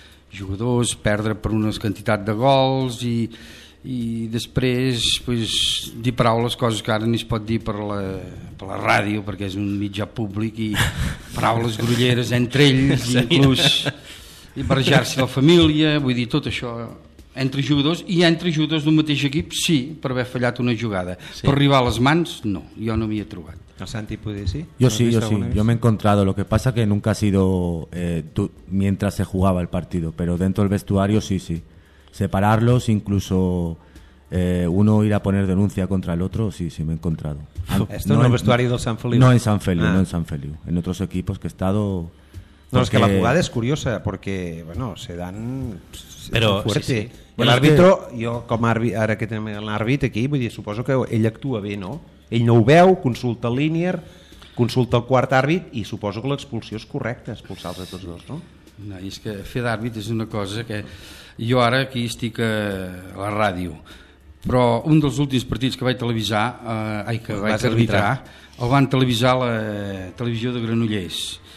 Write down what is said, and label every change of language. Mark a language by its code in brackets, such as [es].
[ca] Jugadors, perdre per una quantitat de gols i després pues, dir paraules, coses que ara ni es pot dir per la ràdio, perquè és un mitjà públic, i paraules grolleres entre ells, sí, inclús, i barrejar-se la família, vull dir, tot això entre jugadors, i entre jugadors d'un mateix equip, sí, per haver fallat una jugada. Sí. Per arribar a les mans, no, jo no m'hi he trobat. El Santi, potser sí? [es] Jo sí, jo m'he encontrado, lo que pasa que nunca ha sido mientras se jugaba el partido, pero dentro del vestuario sí. Separarlos, incluso uno ir a poner denuncia contra el otro, sí, me he encontrado. ¿Esto no en el vestuario del San Feliu? No en San Feliu, en otros equipos que he estado... No, porque... es que la jugada es curiosa, porque, bueno, se dan... [ca] Però sí. L'àrbitro, jo com àrbit, ara que tenim l'àrbit aquí, vull dir, suposo que ell actua bé, no? Ell no ho veu, consulta el línier, consulta el quart àrbit i suposo que l'expulsió és correcta, expulsar-los a tots dos, no? No, és que fer d'àrbit és una cosa que... Jo ara aquí estic a la ràdio, però un dels últims partits que vaig televisar, que vaig arbitrar, el van televisar la televisió de Granollers.